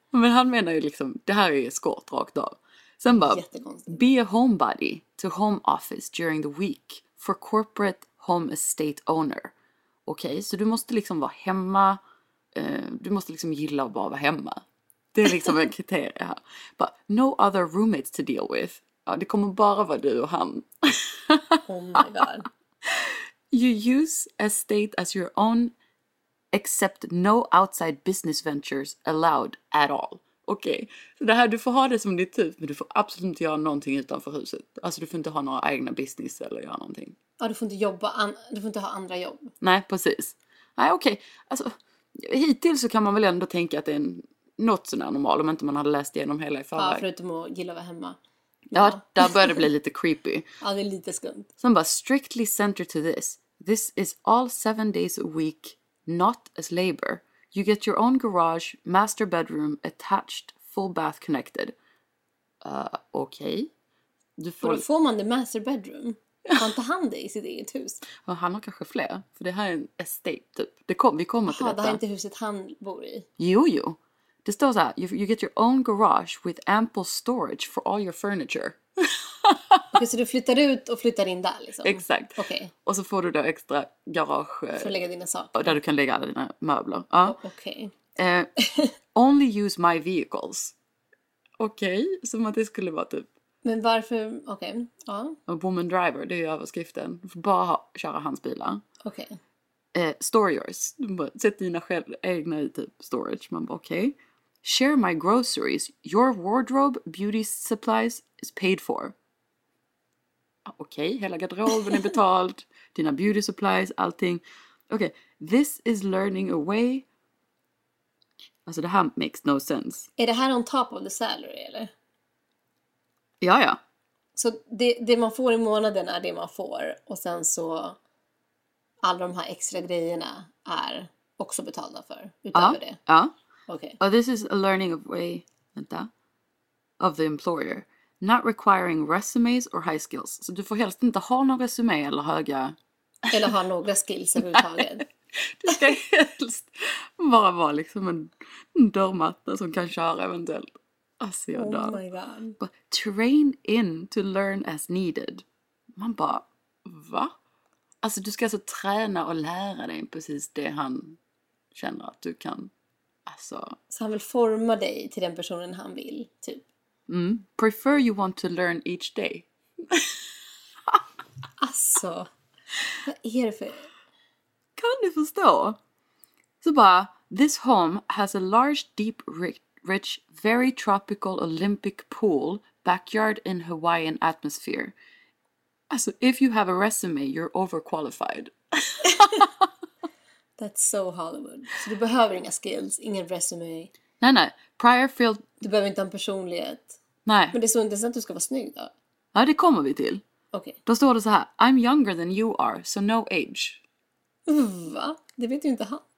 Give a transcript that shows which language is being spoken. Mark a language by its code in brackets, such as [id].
[sv] Men han menar ju liksom, det här är ju skort rakt av. Sen bara, [en] be a homebody to home office during the week for corporate home estate owner. [sv] Okej, okay, så du måste liksom vara hemma. Du måste liksom gilla att bara vara hemma. Det är liksom en kriterie här. [en] But no other roommates to deal with. [sv] Ja, det kommer bara vara du och han. [en] Oh my god. You use estate as your own, except no outside business ventures allowed at all. [sv] Okej, okay. Så det här, du får ha det som ditt typ, men du får absolut inte göra någonting utanför huset. Alltså du får inte ha några egna business eller göra någonting. Ja, du får inte jobba, du får inte ha andra jobb. Nej, precis. Nej, okej. Okay. Alltså, hittills så kan man väl ändå tänka att det är något sådär normalt, om inte man hade läst igenom hela i förväg. Ja, förutom att gilla att vara hemma. Ja, där börjar det bli lite creepy. Ja, det är lite skumt. [en] Så bara, strictly centered to this. This is all 7 days a week, not as labor. You get your own garage, master bedroom, attached, full bath connected. [sv] Okej. Okay. Då får man det master bedroom. Man tar hand i sitt eget hus. Ja, han har kanske fler. För det här är en estate typ. Det kom, vi kommer till detta. Det här är inte huset han bor i. Jo. Det står så här. [en] You get your own garage with ample storage for all your furniture. [sv] Okej, okay, så du flyttar ut och flyttar in där liksom. Exakt. [en] Okay. [sv] Och så får du då extra garage. För att lägga dina saker. Där du kan lägga alla dina möbler. Okej. [en] Only use my vehicles. [sv] Okej, okay, som att det skulle vara typ. Men varför, okej. Okay. Woman driver, det är ju överskriften. Du får bara köra hans bilar. Okej. [en] Okay. Store yours. [sv] Sätt dina egna i typ storage. Man bara, okej. Okay. [en] Share my groceries. Your wardrobe, beauty supplies is paid for. [sv] Okej, hela garderoben är betalt. Dina beauty supplies, allting. Okej, [en] this is learning a way. [sv] Alltså det här [en] makes no sense. [sv] Är det här [en] on top of the salary [sv] eller? Ja, ja. Så det man får i månaden är det man får. Och sen så alla de här extra grejerna är också betalda för. Utöver det. Ja. [en] Okay. Oh, this is a learning of way, vänta, of the employer. Not requiring resumes or high skills. [sv] Så du får helst inte ha några resumé eller höga... Eller ha några skills överhuvudtaget. Du ska helst bara vara liksom en dörrmatta som kan köra eventuellt. Alltså, jag dör. [en] Oh my god. But train in to learn as needed. [sv] Man bara, va? Alltså, du ska alltså träna och lära dig precis det han känner att du kan, alltså... Så han vill forma dig till den personen han vill, typ. [en] Mm. Prefer you want to learn each day. [sv] Alltså, vad är det för... Kan du förstå? Så bara, [en] this home has a large, deep, rich, very tropical Olympic pool, backyard in Hawaiian atmosphere. Alltså, if you have a resume, you're overqualified. That's so Hollywood. [sv] Så du behöver inga skills, ingen resume. Nej, nej. Prior field... Du behöver inte en personlighet. Nej. Men det är så intressant att du ska vara snygg då. Ja, det kommer vi till. Okej. Okay. Då står det så här, [en] I'm younger than you are, so no age. [sv] Va? Det vet ju inte han.